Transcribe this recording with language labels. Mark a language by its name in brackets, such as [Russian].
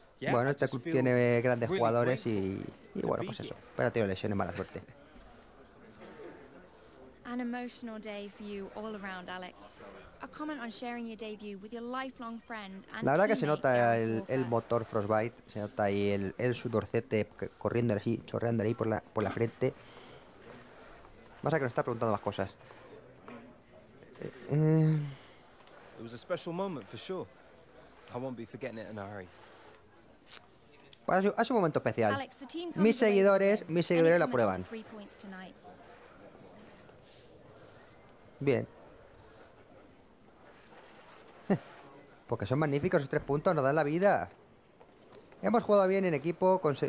[Spanish] Bueno, este club tiene grandes jugadores y bueno, pues eso. Pero ha tenido lesiones, mala suerte. [English] An emotional day for you all around, Alex. A comment on sharing your debut with your lifelong friend and [Spanish] teammate. La verdad que se nota el motor Frostbite, se nota ahí el sudorcete corriendo así, chorreando ahí por la frente. Más a que nos está preguntando más cosas. [English] It was a special moment for sure. I won't be forgetting it in a hurry. [Spanish] Bueno, es un momento especial. Mis seguidores la prueban. Bien. Porque son magníficos esos 3 puntos, nos dan la vida. Hemos jugado bien en equipo.